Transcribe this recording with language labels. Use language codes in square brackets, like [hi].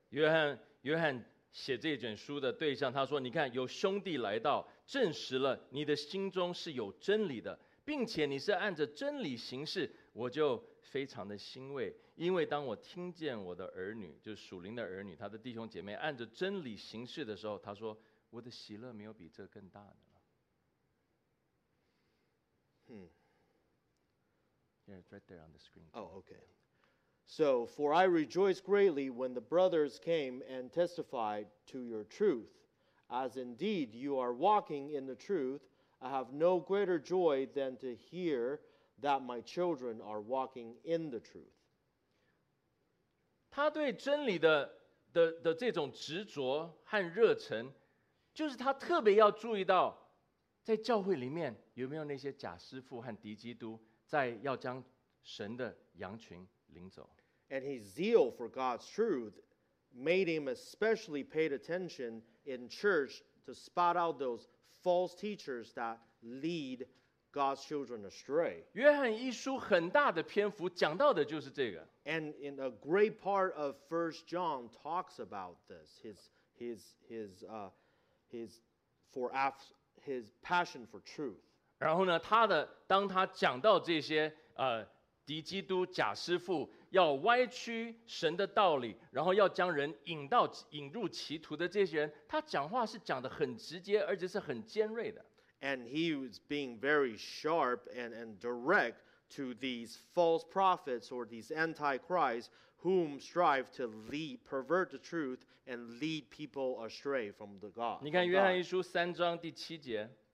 [zh] 约翰写这卷书的对象，他说：“你看，有兄弟来到，证实了你的心中是有真理的，并且你是按着真理行事，我就非常的欣慰。因为当我听见我的儿女，就是属灵的儿女，他的弟兄姐妹按着真理行事的时候，他说我的喜乐没有比这更大的了。” [en] Yeah, it's right there on the screen. Oh, okay. So, for I rejoice greatly when the brothers came and testified to your truth. As indeed you are walking in the truth, I have no greater joy than to hear that my children are walking in the truth. [zh] 他对真理 的这种执着和热忱，就是他特别要注意到，在教会里面有没有那些假师父和敌基督，在要将神的羊群领走。 [en] And his zeal for God's truth made him especially paid attention. In church to spot out those false teachers that lead God's children astray. [zh] 约翰一书很大的篇幅讲到的就是这个。 [en] And in a great part of 1 John talks about this, his passion for truth. [zh] 然后呢，他的当他讲到这些敌基督假师父要歪曲神的道理，然后要将人引入歧途的这些人，他讲话是讲得很直接，而且是很尖锐的。 [en] And he was being very sharp and direct to these false prophets or these antichrists whom strive to pervert the truth and lead people astray from the God. [zh] 你看约翰一书三章第七节。